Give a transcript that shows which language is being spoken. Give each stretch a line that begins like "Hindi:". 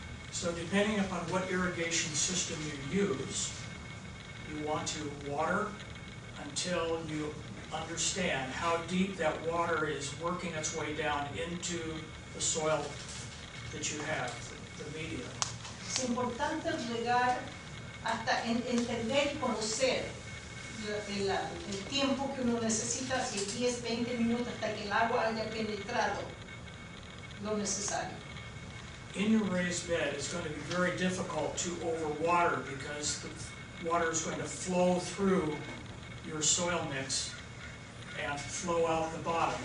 English: So depending upon what irrigation system you use, you want to water until you understand how deep that water is working its way down into the soil that you have, the media.
Spanish: Es importante regar hasta entender y conocer el tiempo que uno necesita, si 10, 20 minutos hasta que el agua haya penetrado lo necesario.
English: In your raised bed, it's going to be very difficult to overwater because the water is going to flow through your soil mix and flow out the bottom.